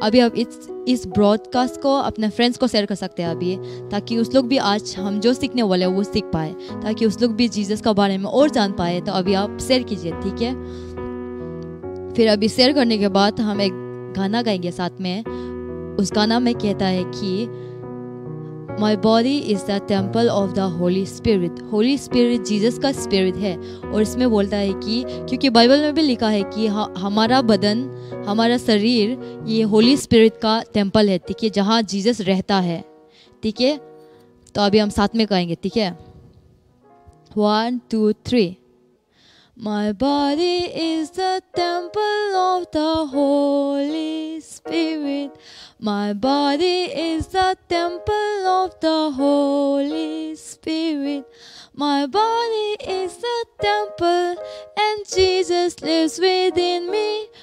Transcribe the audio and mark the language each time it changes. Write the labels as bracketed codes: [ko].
[hi] अभी आप इस ब्रॉडकास्ट को अपने फ्रेंड्स को शेयर कर सकते हैं अभी, ताकि उस लोग भी आज हम जो सीखने वाले हैं वो सीख पाए, ताकि उस लोग भी जीसस के बारे में और जान पाए। तो अभी आप शेयर कीजिए, ठीक है। फिर अभी शेयर करने के बाद हम एक गाना गाएंगे साथ में। उस गाना में कहता है कि [en] My body is the temple of the Holy Spirit. [hi] Holy Spirit Jesus का spirit है। और इसमें बोलता है कि क्योंकि बाइबल में भी लिखा है कि हमारा बदन, हमारा शरीर ये Holy Spirit का temple है, ठीक है, जहाँ जीसस रहता है, ठीक है। तो अभी हम साथ में कहेंगे, ठीक है। [en] 1, 2, 3 My body is the temple of the Holy Spirit. My body is the temple of the Holy Spirit. My body is the temple and Jesus lives within me.